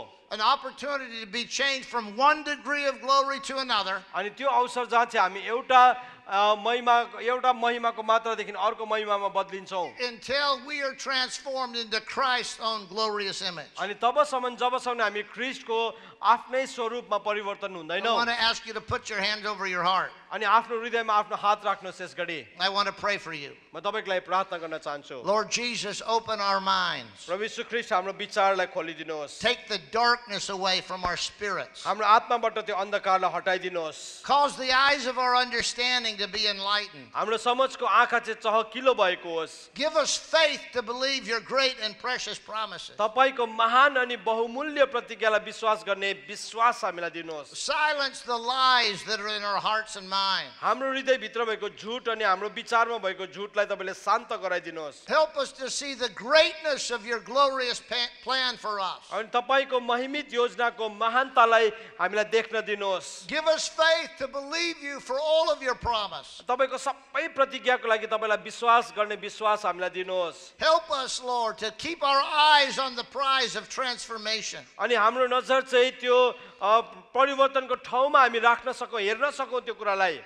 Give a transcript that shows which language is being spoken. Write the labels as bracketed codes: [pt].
[en] An opportunity to be changed from one degree of glory to another. [ne] महिमा एउटा महिमाको मात्र देखिन अर्को महिमामा बदलिन्छौ [en] until we are transformed into Christ's own glorious image [ne] अनि तबसम्म जबसम्म हामी क्रिस्टको आफ्नै स्वरूपमा परिवर्तन हुँदैनौ [en] I want to ask you to put your hands over your heart [ne] अनि आफ्नो हृदयमा आफ्नो हात राख्नुस् यसगरी [en] I want to pray for you [ne] म तपाईलाई प्रार्थना गर्न चाहन्छु [en] Lord Jesus open our minds [ne] प्रभु येशू ख्रीष्ट हाम्रो विचारलाई खोलिदिनुहोस् [en] take the darkness away from our spirits [ne] हाम्रो आत्माबाट त्यो अन्धकारलाई हटाइदिनुहोस् [en] cause the eyes of our understanding to be enlightened [ne] हाम्रो समझको आँखा चाहिँ चहकिलो भएको होस् [en] give us faith to believe your great and precious promises [ne] तपाईको महान अनि बहुमूल्य प्रतिज्ञालाई विश्वास गर्ने विश्वास हामीलाई दिनुहोस् [en] silence the lies that are in our hearts and [ne] हाम्रो हृदय भित्र भएको झूठ अनि हाम्रो विचारमा भएको झूठलाई तपाईले शान्त गराइदिनुहोस् [en] help us to see the greatness of your glorious plan for us [ne] अनि तपाईको महिमित योजनाको महानतालाई हामीलाई देख्न दिनुहोस् [en] give us faith to believe you for all of your promise [ne] तपाईको सबै प्रतिज्ञाको लागि तपाईलाई विश्वास गर्ने विश्वास हामीलाई दिनुहोस् [en] help us lord to keep our eyes on the prize of transformation [ne] अनि हाम्रो नजर चाहिँ त्यो परिवर्तनको ठाउँमा हामी राख्न सकौँ हेर्न सकौँ त्यो कुरालाई